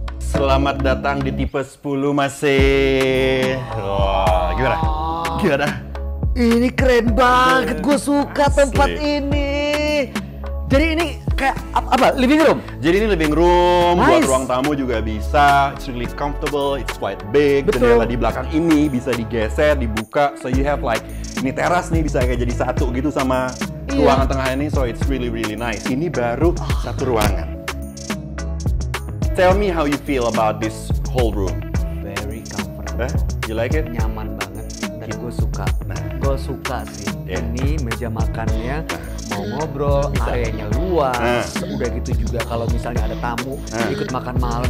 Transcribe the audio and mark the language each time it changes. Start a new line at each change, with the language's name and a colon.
Indonesian: Selamat datang di tipe 10, masih. Wah, gimana? Gimana? Ini keren banget, gue suka tempat ini. Jadi ini kayak apa? Living room? Jadi ini living room, nice. Buat ruang tamu juga bisa.
English: It's really comfortable, it's quite big.
Indonesian: Betul. Jendela di belakang ini bisa digeser, dibuka.
English: So you have like,
Indonesian: ini teras nih bisa kayak jadi satu gitu sama ruangan tengah ini.
English: So it's really really nice.
Indonesian: Ini baru satu ruangan.
English: Tell me how you feel about this whole room. Very comfortable. You like it?
Indonesian: Nyaman banget, dan gue suka. Gue suka sih, ini meja makannya, mau ngobrol, bisa. Areanya luas, udah gitu juga kalau misalnya ada tamu, ikut makan malam.